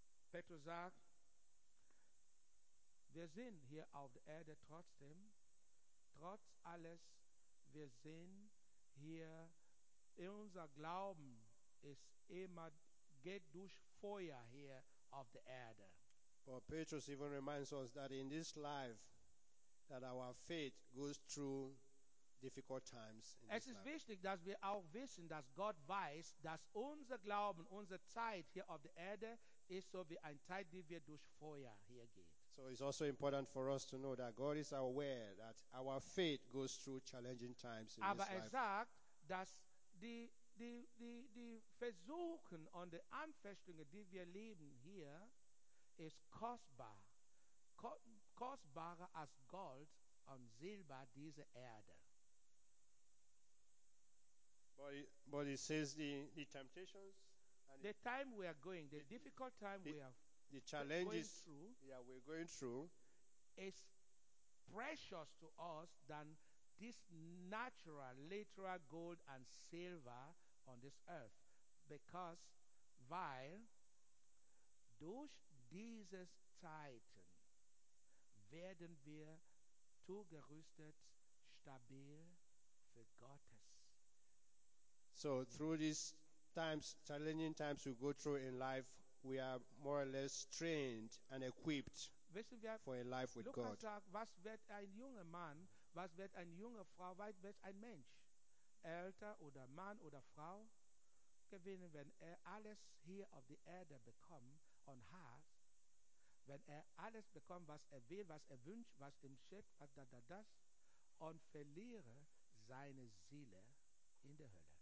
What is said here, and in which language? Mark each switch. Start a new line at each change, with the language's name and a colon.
German: Petrus sagt, wir sind hier auf der Erde trotzdem, trotz alles, wir sind hier, unser Glauben ist immer geht durch Feuer hier auf der Erde.
English: But Petrus even reminds us that in this life that our faith goes through difficult times.
German: Es ist wichtig, dass wir auch wissen, dass Gott weiß, dass unser Glauben, unsere Zeit hier auf der Erde ist so wie eine Zeit, die wir durch Feuer hier geht.
English: So it's also important for us to know that God is aware that our faith goes through challenging times in this life.
German: Aber er sagt, dass die Versuchen und die Anfechtungen, die wir leben hier, ist kostbar. Kostbarer als Gold und Silber dieser Erde.
English: But it says the temptations. And the time we are going, the difficult time we are the challenges, going through, yeah, we're going through, is precious to us than this natural, literal gold and silver on this earth, because
German: weil durch diese Zeiten werden wir zugerüstet, stabil für Gottes.
English: So through these times, challenging times we go through in life, we are more or less trained and equipped for a life with God.
German: Lukas sagt, was wird ein junger Mann, was wird eine junge Frau, was wird ein Mensch, älter oder Mann oder Frau, gewinnen, wenn er alles hier auf der Erde bekommt und hat, wenn er alles bekommt, was er will, was er wünscht, was ihm schickt, was das, und verliere seine Seele in der Hölle.